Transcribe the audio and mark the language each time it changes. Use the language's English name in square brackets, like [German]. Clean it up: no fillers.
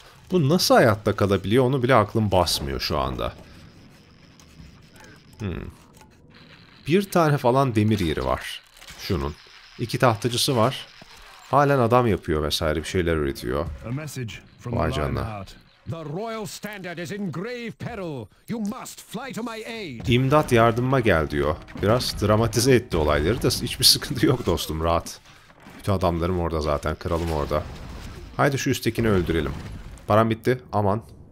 [Turkish] Bu nasıl hayatta kalabiliyor onu bile aklım basmıyor şu anda. Bir tane falan demir yeri var. Şunun. İki tahtacısı var. Halen adam yapıyor vesaire, bir şeyler üretiyor. Vay canına. [English] The Royal Standard is in grave peril. You must fly to my aid. [Turkish] İmdat yardımıma gel diyor. Biraz dramatize etti olayları da hiçbir sıkıntı yok dostum, rahat. Bütün adamlarım orada zaten, kralım orada. Haydi şu üsttekini öldürelim. Param bitti, aman.